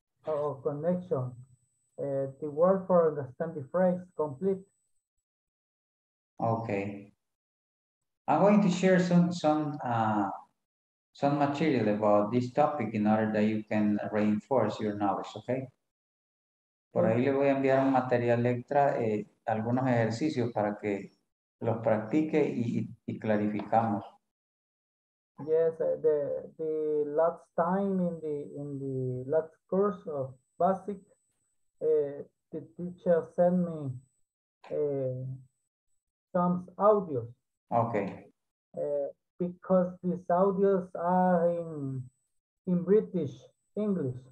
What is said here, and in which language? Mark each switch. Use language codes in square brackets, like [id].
[en] Or connection. The word for understand the phrase complete. Okay. I'm going to share some material about this topic in order that you can reinforce your knowledge, okay? [es] Por ahí le voy a enviar un material extra, algunos ejercicios para que los practique y clarificamos. [en] Yes, the last time in the last course of basic, the teacher sent me some audio. Okay. Because these audios are in British English.